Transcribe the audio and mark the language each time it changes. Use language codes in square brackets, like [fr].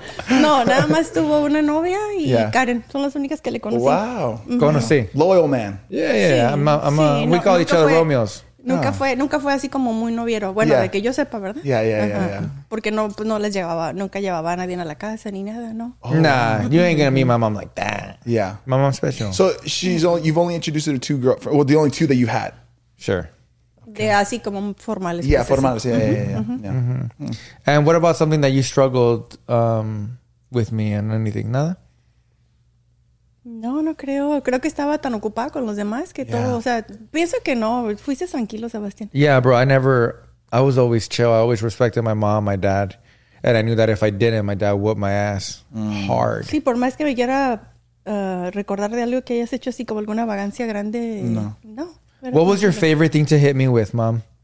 [es] No, nada más tuvo una novia y Karen. Son las únicas que le conocí. [en] Wow. [es] Conocí. [en] Loyal man. Yeah, yeah. We call each other Romeos. [es] Nunca fue así como muy noviero. Bueno, de que yo sepa, ¿verdad? [en] Yeah. [es] Porque no, pues no les llevaba, nunca llevaba a nadie a la casa ni nada, ¿no? [en] Oh, nah, you ain't gonna meet my mom like that. Yeah. My mom's special. So she's only, you've only introduced her to two girlfriends, well, the only two that you had. Sure. [es] Okay. De así como formales. Yeah, pues, formales, así. Yeah. Mm-hmm. [en] And what about something that you struggled with me and anything? [es] ¿Nada? No, no creo. Creo que estaba tan ocupada con los demás que todo. O sea, pienso que no. Fuiste tranquilo, Sebastián. [en] Yeah, bro. I was always chill. I always respected my mom, my dad. And I knew that if I didn't, my dad whooped my ass hard. [es] Sí, por más que me quiera recordar de algo que hayas hecho así como alguna vagancia grande. No. No. [en] What was your favorite thing to hit me with, mom?